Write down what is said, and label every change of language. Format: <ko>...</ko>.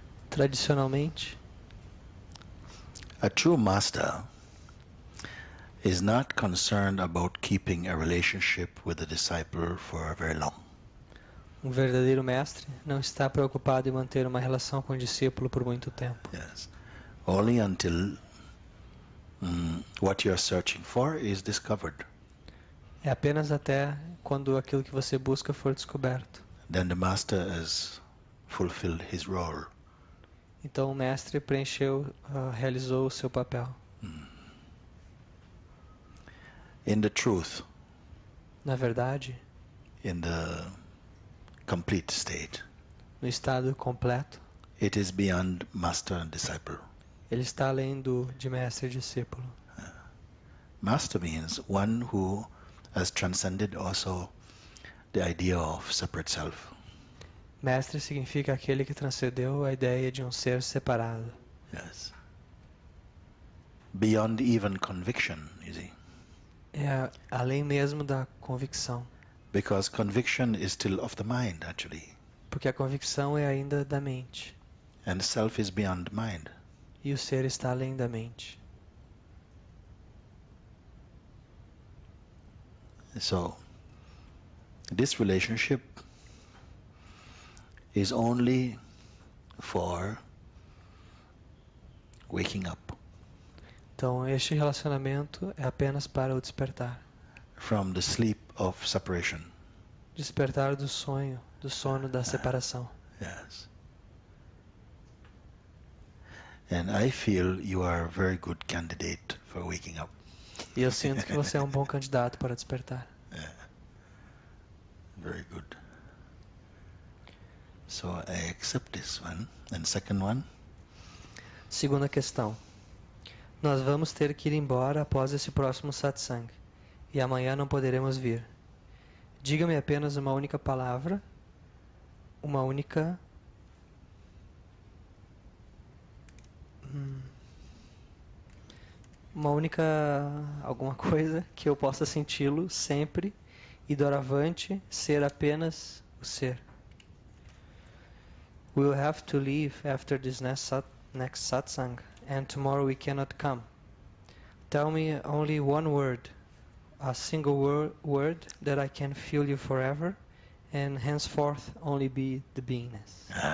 <pt>Tradicionalmente,</pt> <en>a true master is not concerned about keeping a relationship with a disciple for very long.</en> <pt>Um verdadeiro mestre não está preocupado em manter uma relação com o discípulo por muito tempo.</pt> <en>Yes, only until what you are searching for is discovered.</en> <pt>É apenas até quando aquilo que você busca for descoberto.</pt> <en>Then the master is fulfilled his role.</en> <pt>Então o mestre preencheu, realizou o seu papel.</pt> <en>In the truth.</en> <pt>Na verdade.</pt> <en>In the complete state.</en> <pt>No estado completo.</pt> <en>It is beyond master and disciple.</en> <pt>Ele está além do de mestre e discípulo.</pt> <en>Master means one who has transcended also the idea of separate self.</en> <pt>Mestre significa aquele que transcendeu a ideia de um ser separado.</pt> <en>Yes. Beyond even conviction, you see.</en> <pt>É além mesmo da convicção.</pt> <en>Because conviction is still of the mind, actually.</en> <pt>Porque a convicção é ainda da mente.</pt> <en>And self is beyond mind.</en> <pt>E o ser está além da mente.</pt> <en>So, this relationship is only for waking up.</en> <pt>Então, este relacionamento é apenas para o despertar.</pt> <en>From the sleep of separation.</en> <pt>Despertar do sonho, do sono da separação.</pt> <en>Yes. And I feel you are a very good candidate for waking up.</en> <pt>E eu sinto que você é um bom candidato para despertar.</pt> <en>Yeah. Very good. So I accept this one. And second one.</en> <pt>Segunda questão. Nós vamos ter que ir embora após esse próximo satsang, e amanhã não poderemos vir. Diga-me apenas uma única palavra, uma única... uma única alguma coisa que eu possa senti-lo sempre e doravante ser apenas o ser.</pt> <en>We'll have to leave after this next satsang. And tomorrow we cannot come. Tell me only one word, a single word that I can feel you forever, and henceforth only be the beingness.</en>